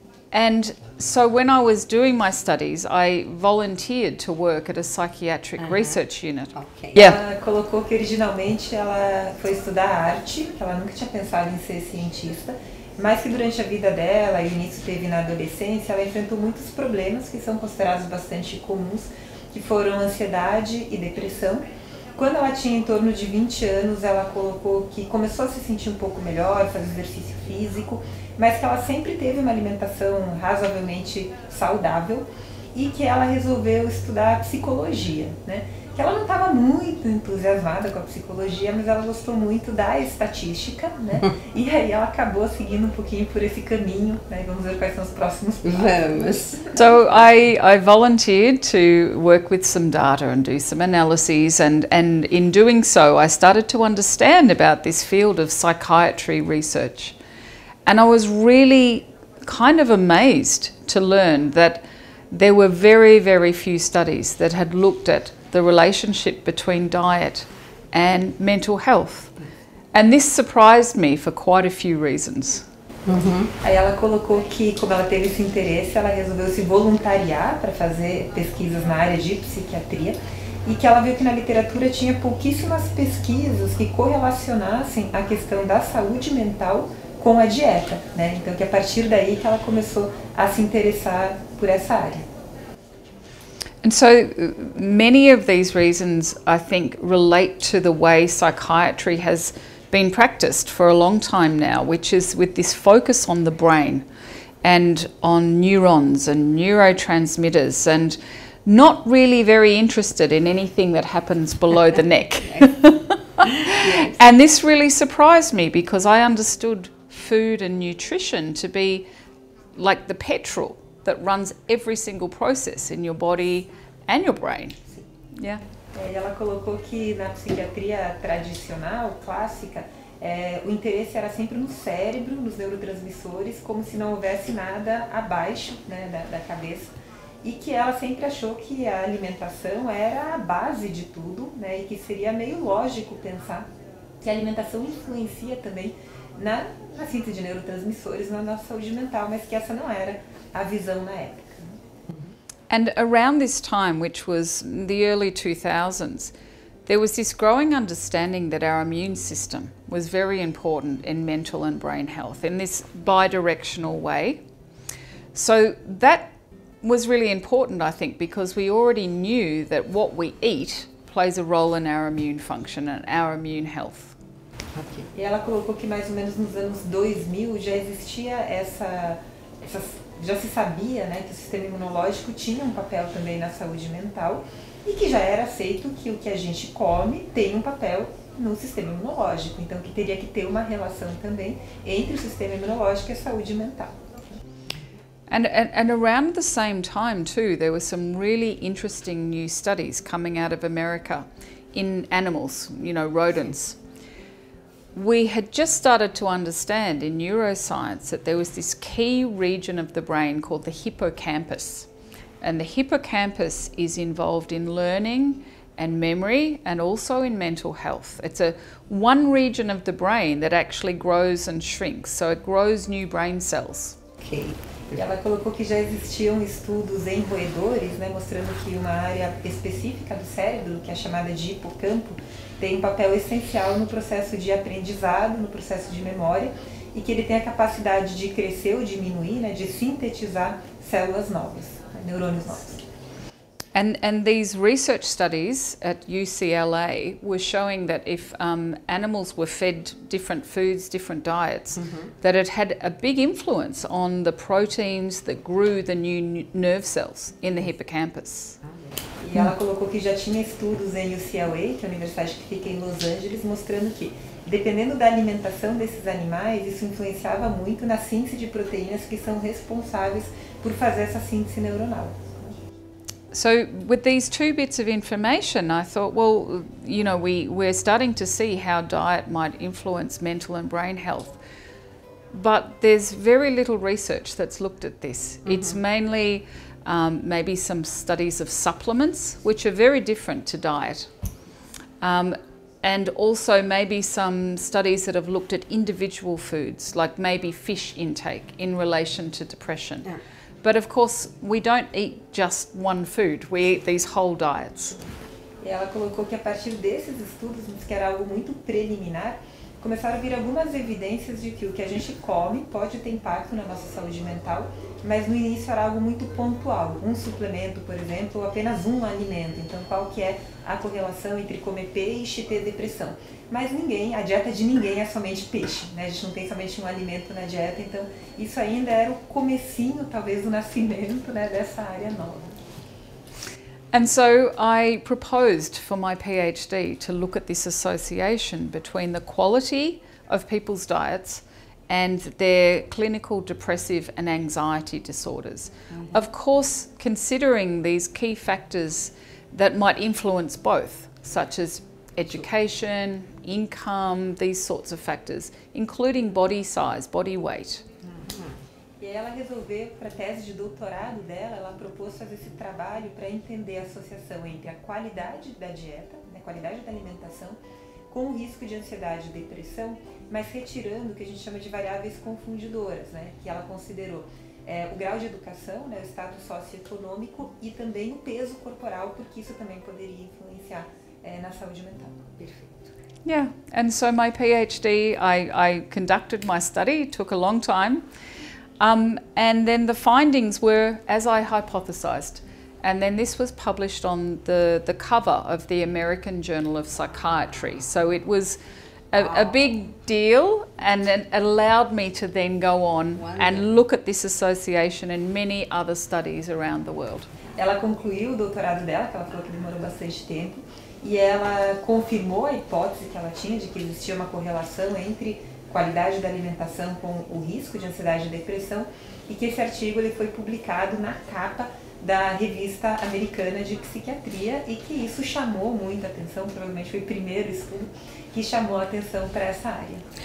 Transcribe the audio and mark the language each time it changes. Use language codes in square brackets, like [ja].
[en] And so when I was doing my studies, I volunteered to work at a psychiatric research unit. Okay. Yeah. [pt] Ela colocou que originalmente ela foi estudar arte, que ela nunca tinha pensado em ser cientista, mas que durante a vida dela, e nisso teve na adolescência, ela enfrentou muitos problemas que são considerados bastante comuns, que foram ansiedade e depressão. Quando ela tinha em torno de 20 anos, ela colocou que começou a se sentir um pouco melhor, fazer exercício físico, mas que ela sempre teve uma alimentação razoavelmente saudável e que ela resolveu estudar psicologia, né? Que ela não estava muito entusiasmada com a psicologia, mas ela gostou muito da estatística, né? E aí ela acabou seguindo um pouquinho por esse caminho, né? Vamos ver quais são os próximos passos. Vamos. [en] So I volunteered to work with some data and do some analyses, and in doing so, I started to understand about this field of psychiatry research. And I was really kind of amazed to learn that there were very, very few studies that had looked at the relationship between diet and mental health. And this surprised me for quite a few reasons. Uhum. [pt] Aí ela colocou que, como ela teve esse interesse, ela resolveu se voluntariar para fazer pesquisas na área de psiquiatria e que ela viu que na literatura tinha pouquíssimas pesquisas que correlacionassem a questão da saúde mental com a dieta, né? Então, que a partir daí que ela começou a se interessar por essa área. [en] And so many of these reasons, I think, relate to the way psychiatry has been practiced for a long time now, which is with this focus on the brain and on neurons and neurotransmitters and not really very interested in anything that happens below the neck. Yes. And this really surprised me because I understood food and nutrition to be like the petrol that runs every single process in your body and your brain. Yeah. [pt] E ela colocou que na psiquiatria tradicional, clássica, o interesse era sempre no cérebro, nos neurotransmissores, como se não houvesse nada abaixo, né, da cabeça. E que ela sempre achou que a alimentação era a base de tudo, né, e que seria meio lógico pensar que a alimentação influencia também na síntese de neurotransmissores, na nossa saúde mental, mas que essa não era a visão na época. [en] And around this time, which was the early 2000s, there was this growing understanding that our immune system was very important in mental and brain health in this bidirectional way. So that was really important, I think, because we already knew that what we eat plays a role in our immune function and our immune health. [pt] Okay. E ela colocou que mais ou menos nos anos 2000 já existia essa já se sabia, né, que o sistema imunológico tinha um papel também na saúde mental e que já era aceito que o que a gente come tem um papel no sistema imunológico, então que teria que ter uma relação também entre o sistema imunológico e a saúde mental. [en] And around the same time too, there were some really interesting new studies coming out of America in animals, you know, rodents. We had just started to understand in neuroscience that there was this key region of the brain called the hippocampus. And the hippocampus is involved in learning and memory and also in mental health. It's a one region of the brain that actually grows and shrinks. So it grows new brain cells. Okay. [pt] E ela colocou que já existiam estudos em roedores, né, mostrando que uma área específica do cérebro, que é chamada de hipocampo, tem um papel essencial no processo de aprendizado, no processo de memória, e que ele tem a capacidade de crescer ou diminuir, né, de sintetizar células novas, né, neurônios novos. [en] And these research studies at UCLA were showing that if animals were fed different foods, different diets, mm-hmm. that it had a big influence on the proteins that grew the new nerve cells in the hippocampus. [pt] E ela colocou que já tinha estudos em UCLA, que é a universidade que fica em Los Angeles, mostrando que, dependendo da alimentação desses animais, isso influenciava muito na síntese de proteínas que são responsáveis por fazer essa síntese neuronal. [en] So with these two bits of information, I thought, well, you know, we're starting to see how diet might influence mental and brain health. But there's very little research that's looked at this. Mm-hmm. It's mainly maybe some studies of supplements, which are very different to diet. And also maybe some studies that have looked at individual foods, like maybe fish intake in relation to depression. Yeah. But of course, we don't eat just one food. We eat these whole diets. [pt] E ela colocou que a partir desses estudos, que era algo muito preliminar, começaram a vir algumas evidências de que o que a gente come pode ter impacto na nossa saúde mental, mas no início era algo muito pontual, um suplemento, por exemplo, ou apenas um alimento. Então, qual que é a correlação entre comer peixe e ter depressão? Mas ninguém, a dieta de ninguém é somente peixe, né? A gente não tem somente um alimento na dieta, então isso ainda era o comecinho, talvez, do nascimento, né, dessa área nova. [en] And so I proposed for my PhD to look at this association between the quality of people's diets and their clinical depressive and anxiety disorders. Mm-hmm. Of course, considering these key factors that might influence both, such as education, income, these sorts of factors, including body size, body weight. [pt] E ela resolveu, para a tese de doutorado dela, ela propôs fazer esse trabalho para entender a associação entre a qualidade da dieta, né, qualidade da alimentação, com o risco de ansiedade e depressão, mas retirando o que a gente chama de variáveis confundidoras, né, que ela considerou o grau de educação, né, o status socioeconômico e também o peso corporal, porque isso também poderia influenciar na saúde mental. Perfeito. [en] Yeah, and so my PhD, I conducted my study, took a long time. And then the findings were as I hypothesized, and then this was published on the cover of the American Journal of Psychiatry. So it was a big deal, and it allowed me to then go on and look at this association in many other studies around the world. [pt] Ela concluiu o doutorado dela, que ela falou que demorou bastante tempo, e ela confirmou a hipótese que ela tinha de que existia uma correlação entre qualidade da alimentação com o risco de ansiedade e depressão, e que esse artigo ele foi publicado na capa da revista americana de psiquiatria e que isso chamou muita atenção, provavelmente foi o primeiro estudo que chamou a atenção para essa área.